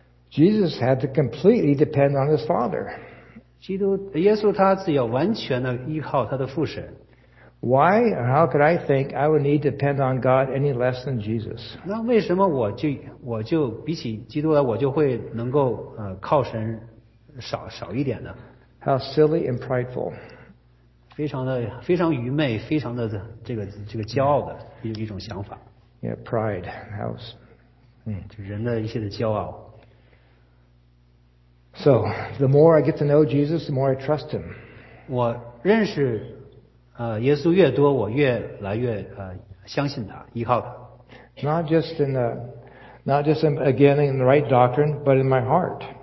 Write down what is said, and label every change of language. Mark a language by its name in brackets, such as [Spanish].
[English] Jesus had to completely depend on his Father. [Chinese] 耶稣他自己要完全的依靠他的父神。 [English] Why or how could I think I would need to depend on God any less than Jesus? [Chinese] 那为什么我就比起基督来，我就会能够靠神少一点呢？ [English] How silly and prideful. [Chinese] 非常愚昧，非常的这个骄傲的一种想法。 [English] Yeah, pride. How's [Chinese] 就人的一些的骄傲。 [English] So, the more I get to know Jesus, the more I trust him. [Chinese] 我认识 耶稣越多，我越来越相信他，依靠他。 [English] Not just again in the right doctrine, but in my heart.